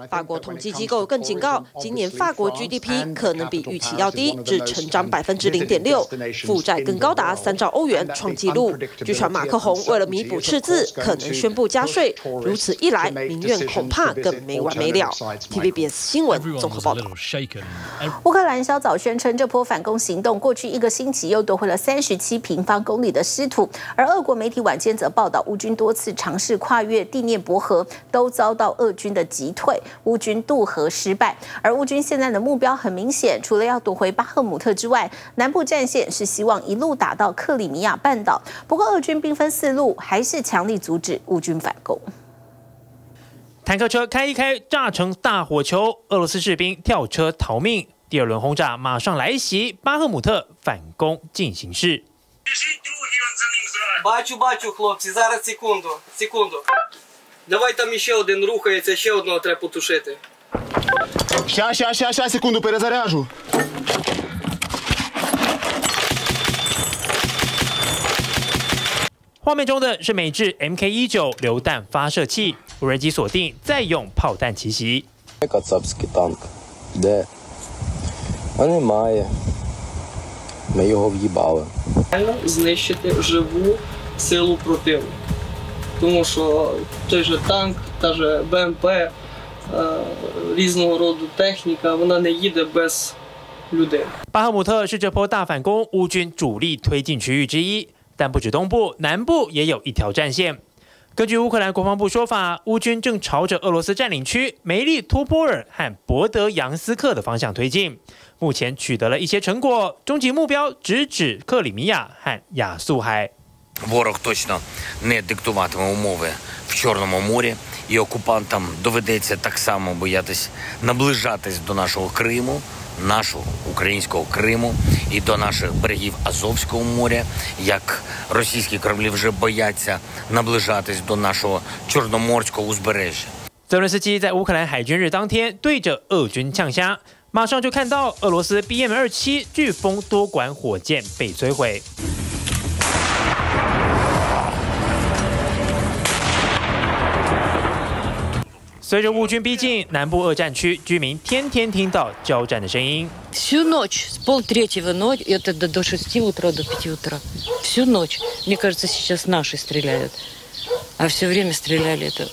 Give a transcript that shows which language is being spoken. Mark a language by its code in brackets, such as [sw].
[zh] 法国统计机构更警告，今年法国 GDP 可能比预期要低，只成长0.6%，负债更高达3兆欧元，创纪录。据传，马克宏为了弥补赤字，可能宣布加税。如此一来，民怨恐怕更没完没了。 TVBS 新闻综合报道。乌克兰稍早宣称，这波反攻行动过去一个星期又夺回了37平方公里的失土，而俄国媒体晚间则报道，乌军多次尝试跨越第聂伯河，都遭到俄军的击退，乌军渡河失败。而乌军现在的目标很明显，除了要夺回巴赫姆特之外，南部战线是希望一路打到克里米亚半岛。不过俄军兵分四路，还是强力阻止乌军反攻。坦克车开一开，炸成大火球，俄罗斯士兵跳车逃命。第二轮轰炸马上来袭，巴赫姆特反攻进行式。 [uk] Бачу, хлопці, зараз секунду. Давай там ще один рухається, ще одного треба потушити. Ща, секунду, перезаряжу. [zh] 画面中的是美制 MK19 榴弹发射器，无人机锁定，再用炮弹奇袭。 [uk] Кацапський танк, де? А немає. Ми його в'їбали. Знищити живу силу противу. Тому що той же танк, та же БМП, різного роду техніка, вона не їде без людей. [zh] Ба Ха Му Те 是这波大反攻乌军主力推进区域之一。但不止东部，南部也有一条战线。根据乌克兰国防部说法，乌军正朝着俄罗斯占领区梅利托波尔和博德扬斯克的方向推进，目前取得了一些成果，终极目标直指克里米亚和亚速海。 [uk] Ворог точно не диктуватиме умови в Чорному морі, і окупантам доведеться так само боятись наближатись до нашого Криму. Нашого українського Криму і до наших берегів Азовського моря, як російські кораблі вже бояться наближатись до нашого Чорноморського узбережжя. [zh] Зеленський 在乌克兰海军日当天对着俄军呛虾，马上就看到俄罗斯 BM-27 飓风多管火箭被摧毁。随着乌军逼近南部俄战区，居民天天听到交战的声音。 [ru] Всю ночь с полтретьего ночи это до шести утра до пяти утра. Всю ночь. Мне кажется, сейчас наши стреляют, а все время стреляли это.